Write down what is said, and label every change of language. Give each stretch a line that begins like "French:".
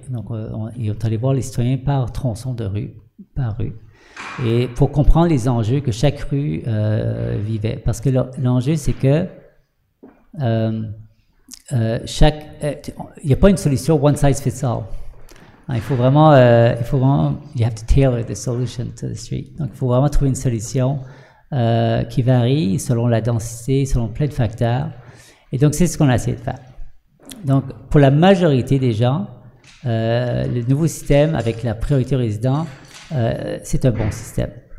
French: Donc, on est allé voir les citoyens par tronçon de rue, par rue, et pour comprendre les enjeux que chaque rue vivait. Parce que l'enjeu, c'est que il n'y a pas une solution
English: one size fits all. You have to tailor the solution to the street.
French: Donc, il faut vraiment trouver une solution qui varie selon la densité, selon plein de facteurs. Et donc, c'est ce qu'on a essayé de faire. Donc, pour la majorité des gens, le nouveau système avec la priorité résident, c'est un bon système.